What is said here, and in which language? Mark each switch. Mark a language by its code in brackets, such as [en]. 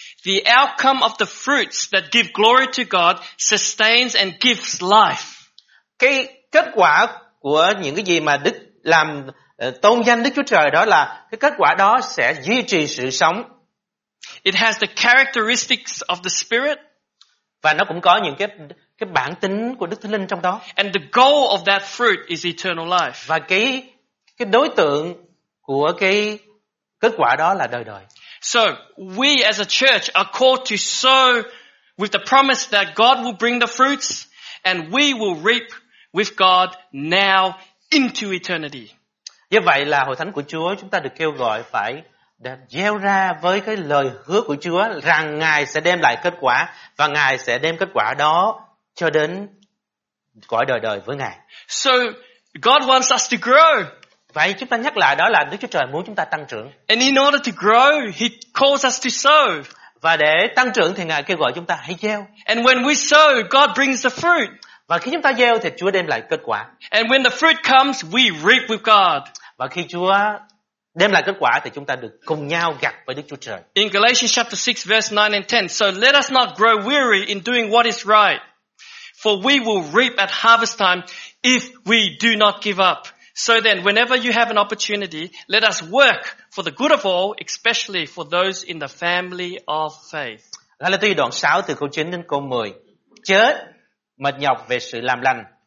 [en] The outcome of the fruits that give glory to God sustains and gives life. [vi] Cái kết quả của những cái gì mà Đức làm tôn danh Đức Chúa Trời đó là cái kết quả đó sẽ duy trì sự sống. [en] It has the characteristics of the Spirit. [vi] Và nó cũng có những cái bản tính của Đức Thánh Linh trong đó. [en] And the goal of that fruit is eternal life. [vi] Và cái đối tượng của cái kết quả đó là đời đời. [en] So, we as a church are called to sow with the promise that God will bring the fruits and we will reap with God now into eternity. [vi] Như vậy là hội thánh của Chúa, chúng ta được kêu gọi phải gieo ra với cái lời hứa của Chúa rằng Ngài sẽ đem lại kết quả và Ngài sẽ đem kết quả đó cho đến cõi đời đời với Ngài. [en] So, God wants us to grow. [vi] Vậy chúng ta nhắc lại đó là Đức Chúa Trời muốn chúng ta tăng trưởng. [en] And in order to grow, He calls us to sow. [vi] Và để tăng trưởng thì Ngài kêu gọi chúng ta hãy gieo. [en] And when we sow, God brings the fruit. [vi] Và khi chúng ta gieo thì Chúa đem lại kết quả. [en] And when the fruit comes, we reap with God. [vi] Và khi Chúa đem lại kết quả thì chúng ta được cùng nhau gặt với Đức Chúa Trời. [en] In Galatians chapter 6 verse 9 and 10, so let us not grow weary in doing what is right, for we will reap at harvest time if we do not give up. So then, whenever you have an opportunity, let us work for the good of all, especially for those in the family of faith. [vi] Galatia đoạn 6 từ câu 9 đến câu 10. Chớ mệt nhọc về sự làm lành.